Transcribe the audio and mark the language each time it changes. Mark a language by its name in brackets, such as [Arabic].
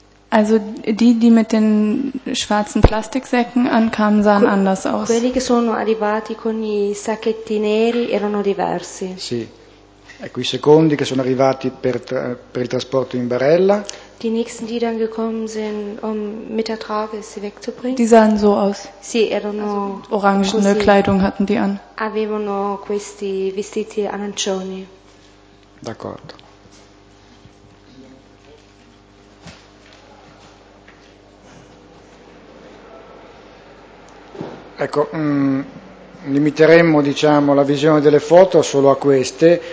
[German] Also die mit den schwarzen Plastiksäcken ankamen, sahen anders aus. [Italian] Quelli che sono arrivati con i sacchetti neri erano diversi. Sì. Ecco, i secondi che sono arrivati per il trasporto in barella. [German] Die nächsten, die dann gekommen sind, um mit der Trage sie wegzubringen. Die sahen so aus. [Italian] Sì, erano [German] also, orangene Kleidung hatten die an. [Italian] Avevano questi vestiti arancioni. D'accordo. Ecco, limiteremmo, diciamo, la visione delle foto solo a queste.